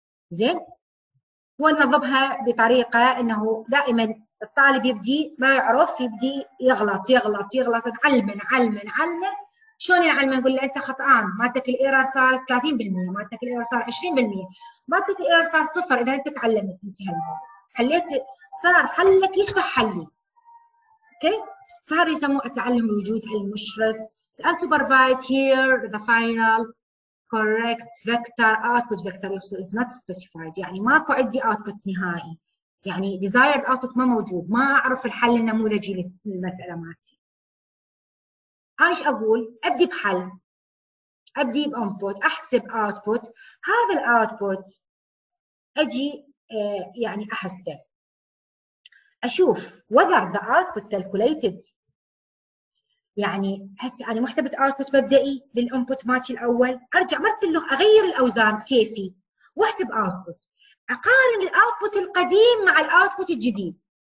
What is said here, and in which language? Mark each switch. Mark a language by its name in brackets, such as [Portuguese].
[Arabic] زين وننظمها بطريقة انه دائما الطالب يبدي ما يعرف يبدي يغلط يغلط يغلط، نعلمه نعلمه نعلمه. شلون نعلمه؟ نقول له انت خطأان، مالتك الايرور صار 30%، مالتك الايرور صار 20%، مالتك الايرور صار صفر. اذا انت تعلمت انتهى الموضوع، حليت صار حلك يشبه حلي. اوكي فهذا يسموه التعلم بوجود المشرف. [English] Unsupervised here the final correct vector output vector is not specified، [Arabic] يعني ماكو عندي output نهائي، يعني desired output ما موجود، ما اعرف الحل النموذجي للمسألة مالتي. انا ايش اقول؟ ابدي بحل، ابدي بانبوت، احسب output، هذا الاوتبوت اجي يعني احسبه، اشوف [English] whether the output calculated، [Arabic] يعني هسه انا محتبت اوتبوت مبدئي بالانبوت ماتش الاول، ارجع مرت له اغير الاوزان كيفي واحسب اوتبوت، اقارن الاوتبوت القديم مع الاوتبوت الجديد.